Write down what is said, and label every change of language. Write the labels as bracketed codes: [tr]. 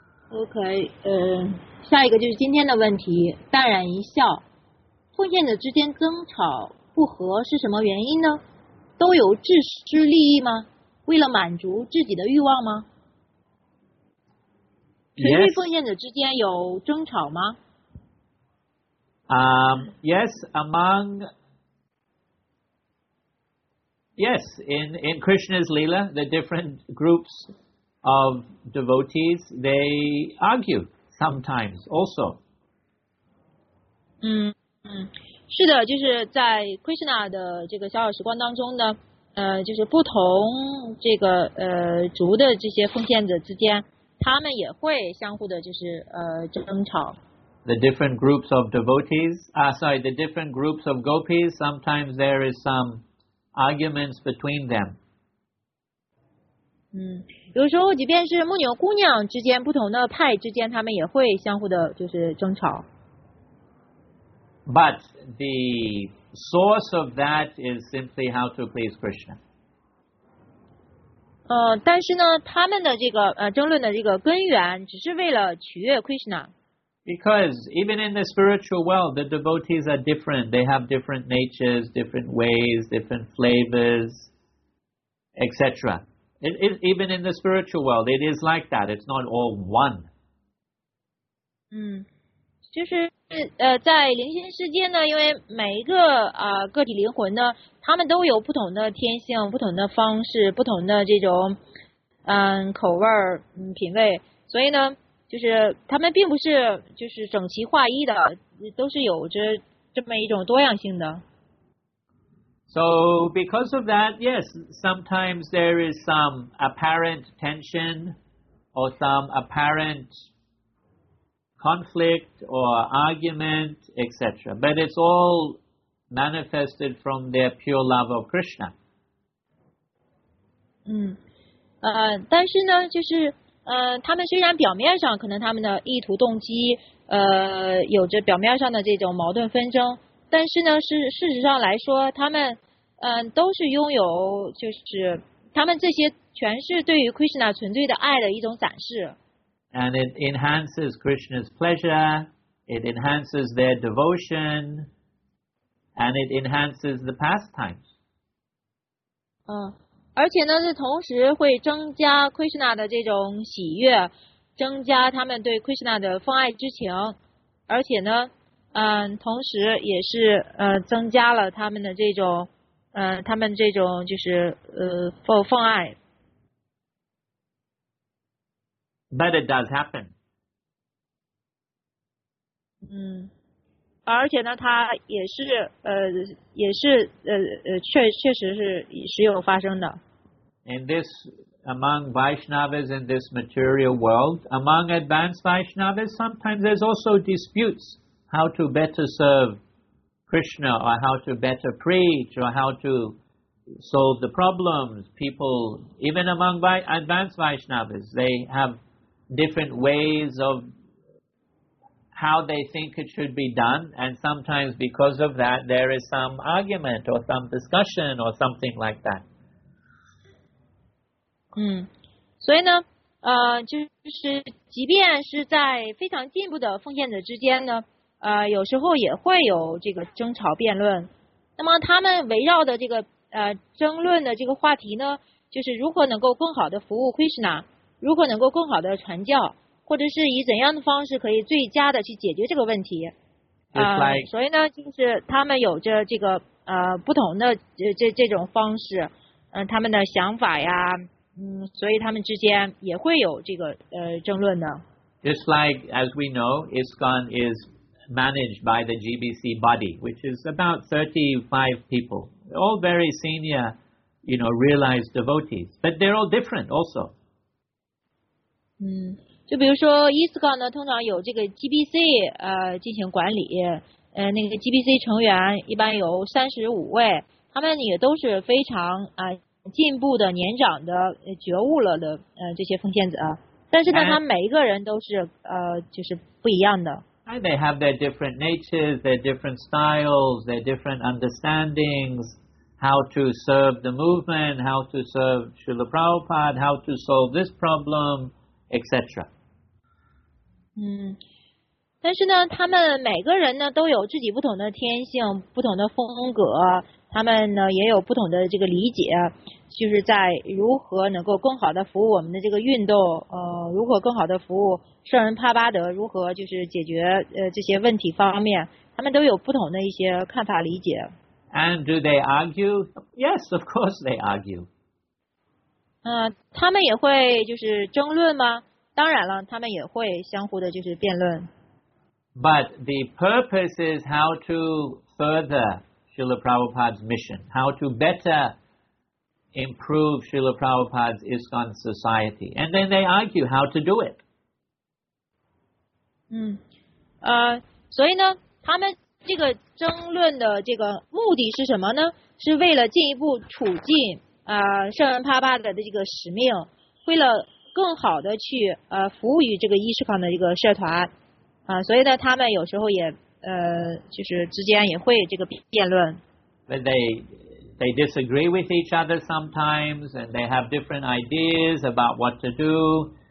[zh] OK， 下一个就是今天的问题，淡然一笑。奉献者之间争吵不和是什么原因呢？都有自私利益吗？为了满足自己的欲望吗？纯粹奉献者之间有争吵吗 [en] ？Yes, among yes, in Krishna's Leela, the different groups. Of devotees, they argue sometimes also. [zh] 是的，就是在 Krishna 的这个小小时光当中呢，就是不同这个族的这些奉献者之间，他们也会相互的，就是争吵。 [en] The different groups of devotees, the different groups of gopis, sometimes there is some arguments between them. [zh] 有时候即便是牧牛姑娘之间不同的派之间他们也会相互的就是争吵。 [en] But the source of that is simply how to please Krishna. [zh] 但是呢他们的这个争论的这个根源只是为了取悦 Krishna. [en] Because even in the spiritual world, the devotees are different. They have different natures, different ways, different flavors, etc. It, even in the spiritual world, it is like that. It's not all one. [zh] 就是在灵性世界呢，因为每一个个体灵魂呢，他们都有不同的天性、不同的方式、不同的这种口味品味，所以呢，就是他们并不是就是整齐划一的，都是有着这么一种多样性的。 [en] So because of that, yes, sometimes there is some apparent tension or some apparent conflict or argument, etc. But it's all manifested from their pure love of Krishna. [zh] 但是呢，就是他们虽然表面上可能他们的意图动机有着表面上的这种矛盾纷争，但是呢，事实上来说，他们都是拥有，就是他们这些全是对于 Krishna 纯粹的爱的一种展示。 [en] And it enhances Krishna's pleasure, it enhances their devotion, and it enhances the pastimes. [zh] 而且呢，是同时会增加 Krishna 的这种喜悦，增加他们对 Krishna 的奉爱之情，而且呢，同时也是增加了他们的这种。他们这种就是奉爱。 [en] But it does happen. [zh] 而且呢，它也是确实是有发生的。 [en] In this among Vaishnavas in this material world, among advanced Vaishnavas, sometimes there's also disputes how to better serve. Krishna, or how to better preach, or how to solve the problems. People, even among advanced Vaishnavas, they have different ways of how they think it should be done, and sometimes because of that, there is some argument, or some discussion, or something like that. [zh] 所以呢，就是即便是在非常进步的奉献者之间呢，有时候也会有这个争吵辩论，那么他们围绕的这个争论的这个话题呢，就是如何能够更好的服务 Krishna， 如何能够更好的传教，或者是以怎样的方式可以最佳的去解决这个问题。所以呢，就是他们有着这个不同的这种方式，他们的想法呀，所以他们之间也会有这个争论呢。 [en] Just like as we know, ISKCON is managed by the GBC body, which is about 35 people, all very senior, you know, realized devotees, but they're all different also. [zh] 就比如说 ISKCON 呢，通常有这个 GBC 进行管理，那个 GBC 成员一般有35位，他们也都是非常进步的、年长的、觉悟了的这些奉献者。但是呢，他们每一个人都是就是不一样的。 [en] They have their different natures, their different styles, their different understandings, how to serve the movement, how to serve Srila Prabhupada, how to solve this problem. etc. [zh] 但是呢，他们每个人呢都有自己不同的天性，不同的风格，他们呢也有不同的这个理解，就是在如何能够更好的服务我们的这个运动，如何更好的服务圣人帕巴德，如何就是解决这些问题方面，他们都有不同的一些看法理解。 [en] And do they argue? Yes, of course they argue. [zh] 他们也会就是争论吗？当然了，他们也会相互的就是辩论。 [en] But the purpose is how to further Srila Prabhupada's mission, how to better improve Srila Prabhupada's ISKCON society. And then they argue how to do it. [zh] 所以呢，他们这个争论的这个目的是什么呢？是为了进一步促进圣人帕巴德的这个使命，为了更好的去服务于这个伊斯康的这个社团，所以呢，他们有时候也就是之间也会这个辩论。 [en] But they disagree with each other sometimes, and they have different ideas about what to do.